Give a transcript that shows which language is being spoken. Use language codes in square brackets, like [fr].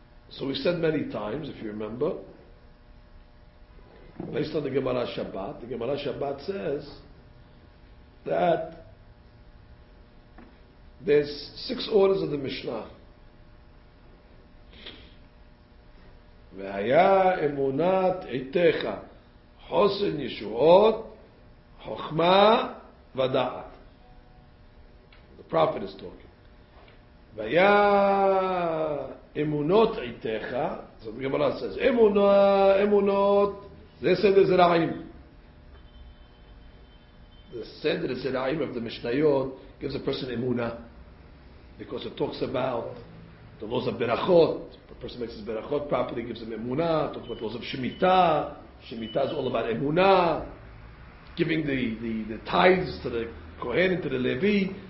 [en] So we said many times, if you remember, based on the Gemara Shabbat says that there's six orders of the Mishnah. [he] והיה אמונת עיתך חוסן ישועות חוכמה ודעת. [en] The prophet is talking. [he] והיה אמונות עיתך, זאת גמרא [en] says, [he] אמונות, זה סדר זרעים. [en] The סדר זרעים of the משניות gives a person אמונה because it talks about the laws of ברכות. Person makes his berachot properly, gives him emunah, talks about laws of Shemitah. Shemitah is all about emunah, giving the tithes to the Kohen and to the Levi.